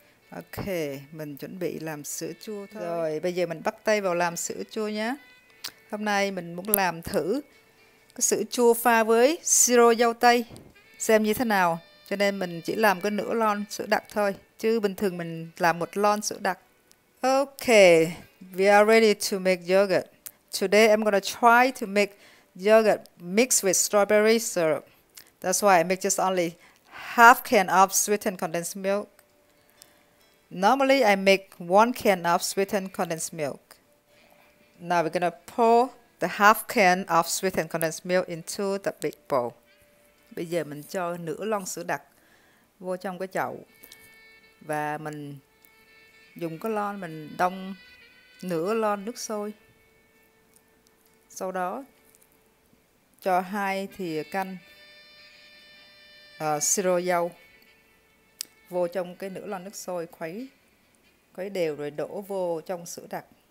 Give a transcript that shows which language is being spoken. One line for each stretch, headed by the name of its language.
Vietnamese: Ok, mình chuẩn bị làm sữa chua thôi. Rồi, bây giờ mình bắt tay vào làm sữa chua nhé. Hôm nay mình muốn làm thử cái sữa chua pha với siro dâu tây xem như thế nào. Cho nên mình chỉ làm cái nửa lon sữa đặc thôi. Chứ bình thường mình làm một lon sữa đặc.
English: Ok, we are ready to make yogurt. Today I'm gonna try to make yogurt mixed with strawberry syrup. That's why I make just only half can of sweetened condensed milk. Normally, I make one can of sweetened condensed milk. Now, we're gonna pour the half can of sweetened condensed milk into the big bowl.
Vietnamese: Bây giờ mình cho nửa lon sữa đặc vô trong cái chậu và mình dùng cái lon mình đông nửa lon nước sôi. Sau đó cho 2 thìa canh siro dâu vô trong cái nửa lon nước sôi, khuấy đều rồi đổ vô trong sữa đặc